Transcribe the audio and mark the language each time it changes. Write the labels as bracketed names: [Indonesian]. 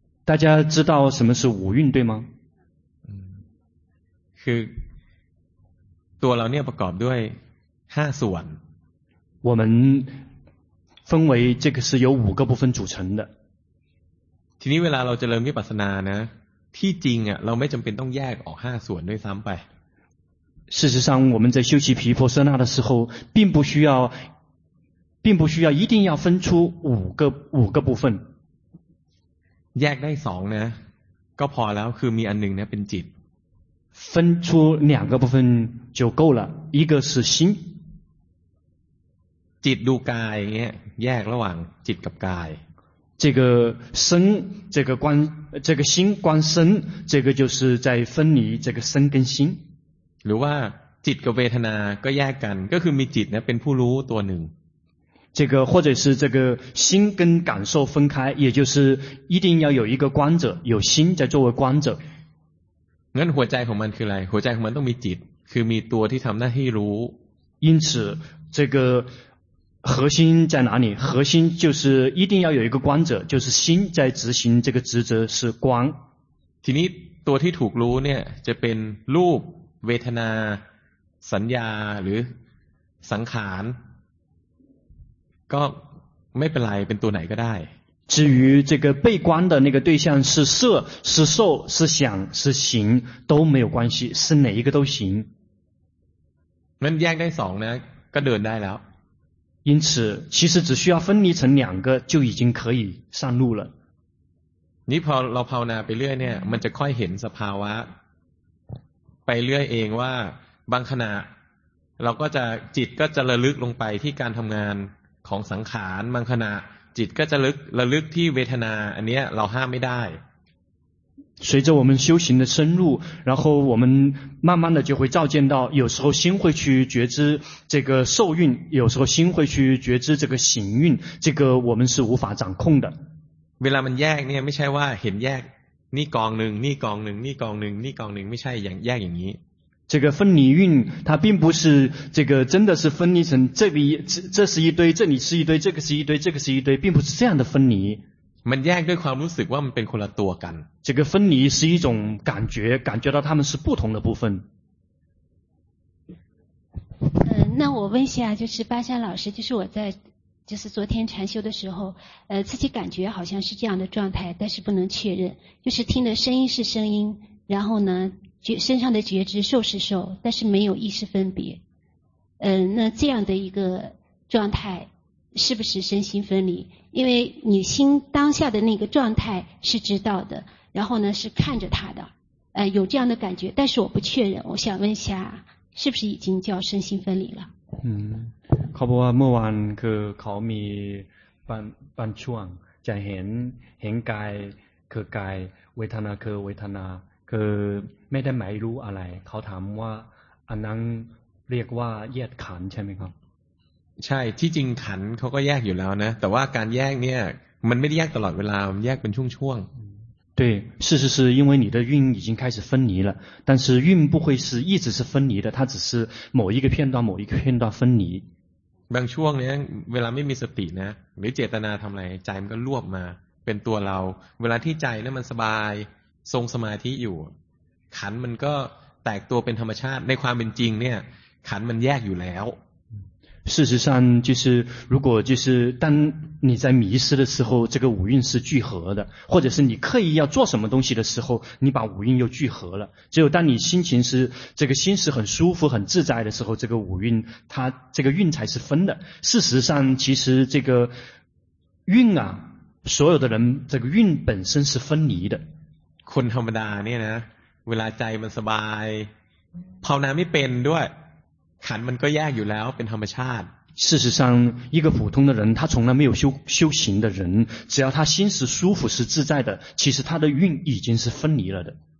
[Chinese] 大家知道什么是五蕴对吗 [Thai] คือตัวเราเนี่ยประกอบด้วย5ส่วน [Chinese] 我们分为这个是由五个部分组成的 [Thai] ทีนี้เวลาเราจะเริ่มวิปัสสนานะที่จริงอ่ะเราไม่จําเป็นต้องแยกออก5ส่วนด้วยซ้ําไป [Chinese] 事实上我们在修习毗婆舍那的时候并不需要一定要分出五个部分 [Thai] แยกได้2นะก็พอแล้วคือมีอันนึงนะเป็นจิต [Chinese] 分出两个部分就够了一个是心 [Thai] จิตดูกายเงี้ยแยกระหว่างจิตกับกาย [Chinese] 这个身这个观这个心观身这个就是在分离这个身跟心 [Thai] หรือว่าจิตกับเวทนาก็แยกกันก็คือมีจิตนะเป็นผู้รู้ตัวหนึ่ง [Chinese] 这个或者是这个心跟感受分开也就是一定要有一个观者有心在作为观者 [Thai] งั้นหัวใจของมันคืออะไรหัวใจของมันต้องมีจิตคือมีตัวที่ทำหน้าที่รู้ [Chinese] 因此这个核心在哪里核心就是一定要有一个观者就是心在执行这个职责是观 [Thai] ทีนี้ตัวที่ถูกรู้เนี่ยจะเป็นรูปเวทนาสัญญาหรือสังขารก็ไม่เป็นไรเป็นตัวไหนก็ได้ [Chinese] 至于这个被观的那个对象是色是受是想是行都没有关系是哪一个都行 [Thai] 那แยกได้2นะก็เดินได้แล้ว [Chinese] 因此其实只需要分离成两个就已经可以上路了 [Thai] นี่พอเราภาวนาไปเรื่อยเนี่ยมันจะค่อยเห็นสภาวะไปเรื่อยเองว่าบางขณะเราก็จะจิตก็จะระลึกลงไปที่การทำงานของสังขารบางขณะจิตก็จะระลึกที่เวทนาอันเนี้ยเราห้ามไม่ได้ [Chinese] 随着我们修行的深入然后我们慢慢的就会照见到有时候心会去觉知这个受蕴有时候心会去觉知这个行蕴这个我们是无法掌控的 [Thai] เวลามันแยกเนี่ยไม่ใช่ว่าเห็นแยกนี่กองหนึ่งนี่กองหนึ่งนี่กองหนึ่งนี่กองหนึ่งไม่ใช่อย่างแยกอย่างนี้ [Chinese] 这个分离蕴它并不是这个真的是分离成这里 这是一堆这里是一堆这个是一堆这个是一堆并不是这样的分离 [Thai] มันแยกด้วยความรู้สึกว่ามันเป็นคนละตัวกัน [Chinese] 这个分离是一种感觉到它们是不同的部分那我问一下就是巴山老师就是我在就是昨天禅修的时候自己感觉好像是这样的状态但是不能确认就是听的声音是声音然后呢身上的觉知受是受但是没有意识分别那这样的一个状态是不是身心分离因为你心当下的那个状态是知道的然后呢是看着他的有这样的感觉但是我不确认我想问一下是不是已经叫身心分离了 [Thai] 嗯ขอบอกว่าเมื่อวานคือเขามีบางช่วงจะเห็นกายคือกายเวทนาคือเวทนาคือไม่ได้หมายรู้อะไรเขาถามว่าอันนั้นเรียกว่าแยกขันธ์ใช่ไหมครับ ใช่ที่จริงขันธ์เขาก็แยกอยู่แล้วนะแต่ว่าการแยกเนี่ยมันไม่ได้แยกตลอดเวลามันแยกเป็นช่วง [Chinese] ๆ对是是是因为你的蕴已经开始分离了但是蕴不会是一直是分离的它只是某一个片段某一个片段分离 [Thai] บางช่วงเนี่ยเวลาไม่มีสตินะหรือเจตนาทำอะไรใจมันก็รวบมาเป็นตัวเราเวลาที่ใจนั้นมันสบายทรงสมาธิอยู่ขันมันก็แตกตัวเป็นธรรมชาติในความเป็นจริงเนี่ยขันมันแยกอยู่แล้ว [Chinese] 事实上就是如果就是当你在迷失的时候，这个五蕴是聚合的，或者是你刻意要做什么东西的时候，你把五蕴又聚合了。只有当你心情是这个心是很舒服、很自在的时候，这个五蕴它这个蕴才是分的。事实上，其实这个蕴啊，所有的人这个蕴本身是分离的。 [Thai] คนธรรมดาเนี่ยนะ，เวลาใจมันสบาย，ภาวนาไม่เป็นด้วย，ขันมันก็แยกอยู่แล้ว，เป็นธรรมชาติ。 [Chinese] 事实上一个普通的人他从来没有 修行的人只要他心是舒服是自在的其实他的运已经是分离了的